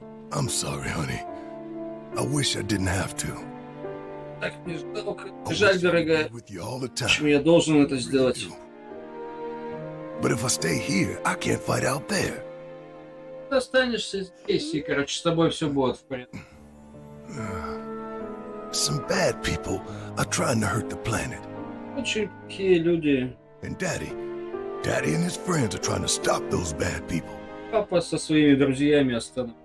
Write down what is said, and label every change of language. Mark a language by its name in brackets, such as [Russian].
[English] I'm sorry, honey. I wish I didn't have to. [Russian] Так мне жалко. Жаль, дорогая. Почему я должен это сделать? [English] But if I stay here, I can't fight out there. [Russian] Ты останешься здесь, и, короче, с тобой все будет в порядке. [English] Some bad people are trying to hurt the planet. [Russian] Очень плохие люди. [English] And Daddy. Daddy and his friends are trying to stop those bad people. [Russian] Папа со своими друзьями остановил.